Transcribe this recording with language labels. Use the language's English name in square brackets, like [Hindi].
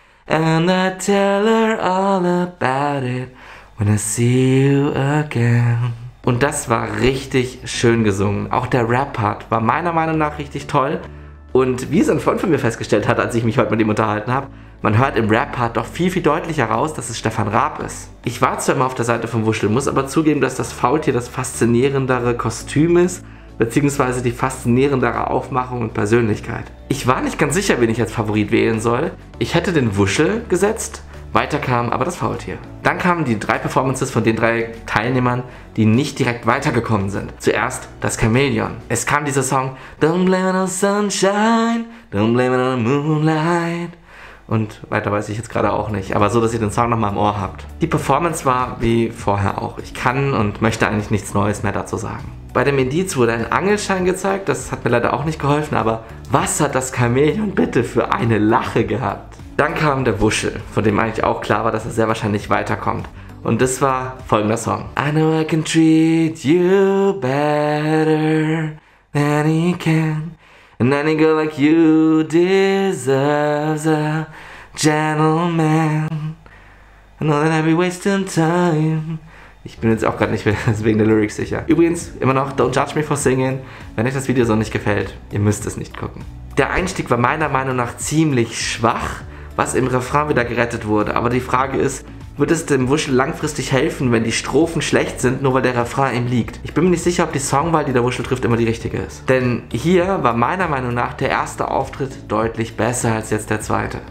[English] And I tell her all about it when I see you again. [German] Und das war richtig schön gesungen. Auch der Rap-Part war meiner Meinung nach richtig toll. Und wie es ein Freund von mir festgestellt hat, als ich mich heute mit ihm unterhalten habe, man hört im Rap-Part doch viel, viel deutlicher raus, dass es Stefan Raab ist. Ich war zwar immer auf der Seite von Wuschel, muss aber zugeben, dass das Faultier das faszinierendere Kostüm ist, beziehungsweise die faszinierendere Aufmachung und Persönlichkeit. Ich war nicht ganz sicher, wen ich als Favorit wählen soll. Ich hätte den Wuschel gesetzt, weiter kam aber das Faultier. Dann kamen die drei Performances von den drei Teilnehmern, die nicht direkt weitergekommen sind. Zuerst das Chamäleon. Es kam dieser Song, [English] Don't blame it on sunshine, don't blame it on the moonlight. [German] Und weiter weiß ich jetzt gerade auch nicht, aber so, dass ihr den Song nochmal im Ohr habt. Die Performance war wie vorher auch. Ich kann und möchte eigentlich nichts Neues mehr dazu sagen. Bei dem Indiz wurde ein Angelschein gezeigt, das hat mir leider auch nicht geholfen, aber was hat das Chamäleon bitte für eine Lache gehabt? Dann kam der Wuschel, von dem eigentlich auch klar war, dass er sehr wahrscheinlich weiterkommt. Und das war folgender Song. [English] I know I can treat you better than he can. And any girl like you deserves a gentleman. I know that I'll be wasting time. [German] Ich bin jetzt auch gerade nicht mehr wegen der Lyrics sicher. Übrigens, immer noch, [English] don't judge me for singing. [German] Wenn euch das Video so nicht gefällt, ihr müsst es nicht gucken. Der Einstieg war meiner Meinung nach ziemlich schwach, was im Refrain wieder gerettet wurde. Aber die Frage ist, wird es dem Wuschel langfristig helfen, wenn die Strophen schlecht sind, nur weil der Refrain ihm liegt? Ich bin mir nicht sicher, ob die Songwahl, die der Wuschel trifft, immer die richtige ist. Denn hier war meiner Meinung nach der erste Auftritt deutlich besser als jetzt der zweite.